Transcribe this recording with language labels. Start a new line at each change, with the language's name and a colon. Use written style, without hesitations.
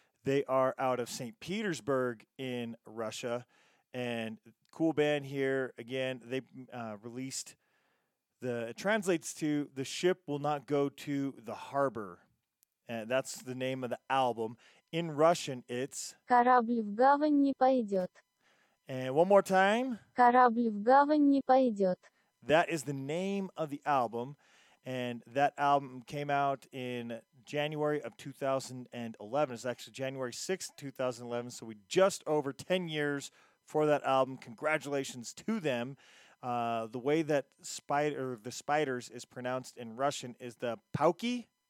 English: They are out of St. Petersburg in Russia, and cool band here. Again, they released the, it translates to The Ship Will Not Go to the Harbor, and that's the name of the album. In Russian, it's
Russian: Корабль в гавань не пойдет.
English: And one more time.
Russian: Корабль в гавань не пойдет.
English: That is the name of the album, and that album came out in January of 2011. It's actually January 6th, 2011. So we just over 10 years for that album. Congratulations to them. The way that the spiders is pronounced in Russian is the pauki.